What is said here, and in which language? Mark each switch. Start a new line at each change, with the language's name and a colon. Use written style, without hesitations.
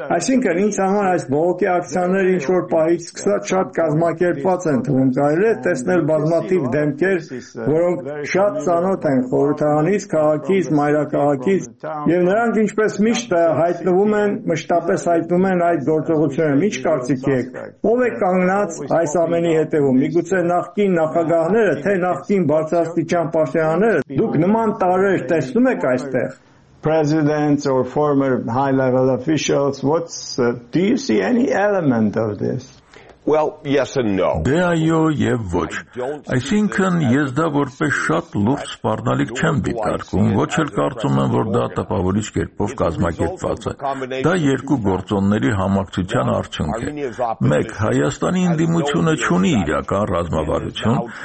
Armenian: Այսինքն, ինձ համար այս բողոքի ակցիաները ինչ որ պահից սկսած շատ կազմակերպված են թվում, կարելի է տեսնել բազմաթիվ դեմքեր, որոնք շատ ծանոթ են խորհրդարանից, քաղաքից, մայրաքաղաքից, և նրանք ինչպես միշտ հայտնվում են, մշտապես հայտնվում են այդ գործողությունը։ Ինչ կարծիքի եք, ով է կանգնած այս ամենի հետևում? Միգուցե նախկին նախագահները, թե նախկին բարձրաստիճան պաշտոնյաները, դուք նման տարեր տեսնում եք այստեղ?
English: Presidents or former high-level officials, do you see any element of this? Well, yes and no.
Armenian: Դե այո եւ ոչ. Այսինքն, ես դա որպես շատ լուրջ սպառնալիք չեմ դիտարկում, ոչ էլ կարծում եմ, որ դա տպավորիչ կերպով կազմակերպված է։ Դա երկու գործոնների համակցության արդյունք է։ Մեկ, Հայաստանի ինդիմությունը չունի իրական ռազմավարություն,